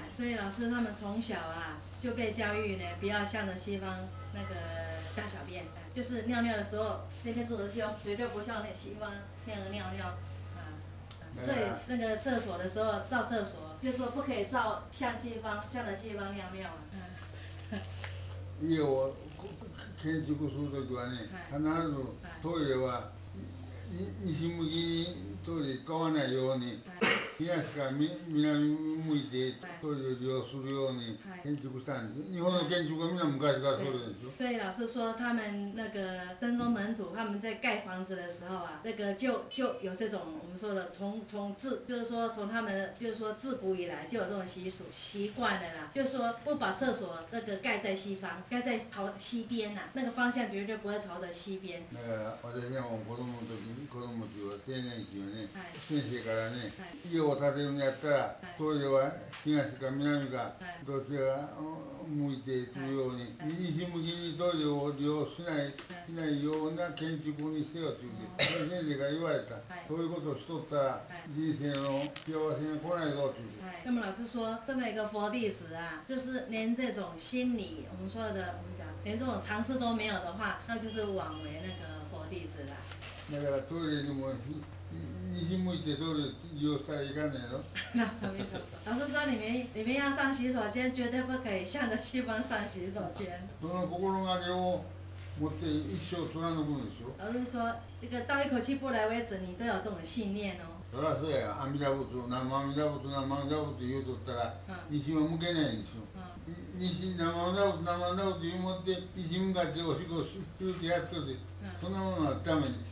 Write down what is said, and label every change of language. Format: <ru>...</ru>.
<zh>所以老师他们从小啊就被教育呢，不要向着西方那个大小便，就是尿尿的时候，那边坐的是绝对不像那西方那个尿尿。所以那个厕所的时候照厕所，就是说不可以照向西方，向着西方尿尿。</zh> <ja>家を建築するときはね、必ずトイレは西向きにトイレ使わないように、東から南向いてトイレを利用するように建築したんです。日本の建築はみんな昔からそうでしょ。</ja> <zh>对，老师说他们那个真宗门徒他们在盖房子的时候啊，那个就有这种我们说的从自就是说从他们就是说自古以来就有这种习惯的啦，就是说不把厕所那个盖在西方，盖在朝西边呐、啊，那个方向绝对不会朝着西边。那个我在像我们子供的时候</zh> <ja>青年期はね、先生からね、家を建てるんやったら、トイレは東か南か、どちら向いてというように、西向きにトイレを利用しないような建築にしてよと言って、先生から言われた、そういうことをしとったら、人生の幸せに来ないぞと言って。</ja> <zh>那么老师说，这么一个佛弟子啊，就是连这种心理，我们说的，我们讲，连这种常识都没有的话，那就是枉为那个佛弟子啦。</zh> <ja>だからトイレにも西向いてトイレ利用したらいかんねえの。</ja> <zh>老师说你们要上洗手间，绝对不可以向着西方上洗手间。</zh> <ja>その心がけを持って一生貫くんでしょ。</ja> <zh>老师说这个到一口气不来为止，你都有这种信念哦。</zh> <ja>そらそうや、阿弥陀仏、南無阿弥陀仏、南無阿弥陀仏って言うとったら西は向けないでしょ。西生阿弥陀佛と言うもって、西向かっておしっこをしゅっとやっとって、そんなものはダメです。</ja>